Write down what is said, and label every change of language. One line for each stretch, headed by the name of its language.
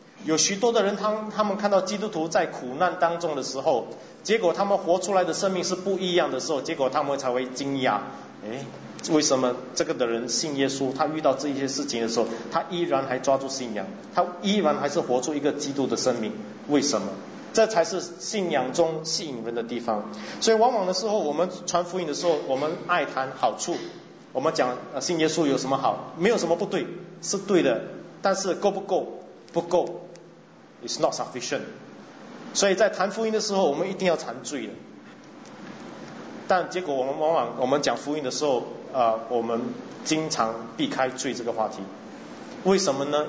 Chinese: 有许多的人他们看到基督徒在苦难当中的时候，结果他们活出来的生命是不一样的时候，结果他们才会惊讶，哎，为什么这个的人信耶稣，他遇到这些事情的时候，他依然还抓住信仰，他依然还是活出一个基督的生命，为什么？这才是信仰中吸引人的地方。所以往往的时候，我们传福音的时候，我们爱谈好处，我们讲信耶稣有什么好，没有什么不对，是对的，但是够不够？不够，
English: It's not sufficient。
Chinese: 所以在谈福音的时候，我们一定要谈罪的，但结果我们讲福音的时候，我们经常避开罪这个话题，为什么呢？